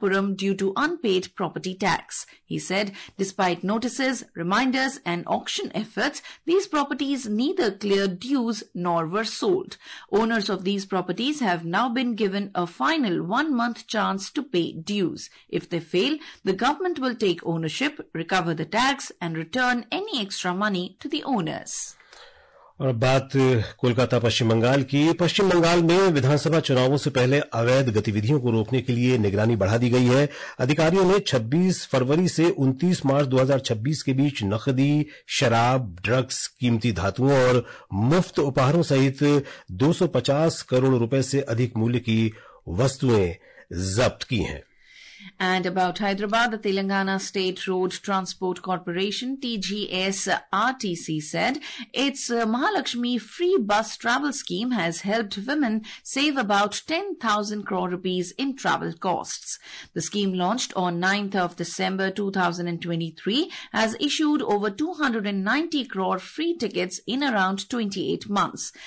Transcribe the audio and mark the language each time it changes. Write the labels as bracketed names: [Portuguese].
[English] Puram due to unpaid property tax. He said, despite notices, reminders and auction efforts, these properties neither cleared dues nor were sold. Owners of these properties have now been given a final one-month chance to pay dues. If they fail, the government will take ownership, recover the tax and return any extra money to the owners. [Hindi] और बात कोलकाता पश्चिम बंगाल की. पश्चिम बंगाल में विधानसभा चुनावों से पहले अवैध गतिविधियों को रोकने के लिए निगरानी बढ़ा दी गई है. अधिकारियों ने 26 फरवरी से 29 मार्च 2026 के बीच नकदी, शराब, ड्रग्स, कीमती धातुओं और मुफ्त उपहारों सहित 250 करोड़ रुपए से अधिक मूल्य की वस्तुएं जब्त की हैं. [English] And about Hyderabad, the Telangana State Road Transport Corporation, TGSRTC, said its Mahalakshmi free bus travel scheme has helped women save about 10,000 crore rupees in travel costs. The scheme, launched on 9th of December 2023, has issued over 290 crore free tickets in around 28 months.